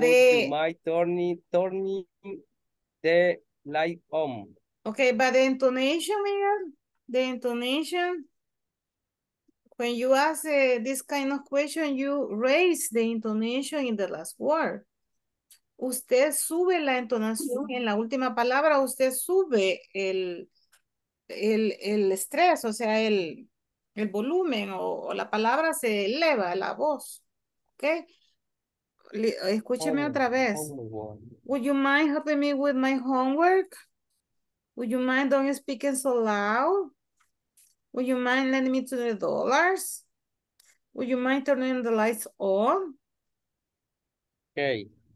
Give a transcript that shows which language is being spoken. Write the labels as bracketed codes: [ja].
[en] would you mind turning the light on? Okay, but the intonation, Miguel, the intonation, when you ask this kind of question, you raise the intonation in the last word. [es] Usted sube la entonación en la última palabra, usted sube el estrés, o sea, el volumen o la palabra se eleva, la voz. Okay? Escúcheme otra vez. [en] Would you mind helping me with my homework? Would you mind don't speaking so loud? Would you mind lending me $20? Would you mind turning the lights on? Okay.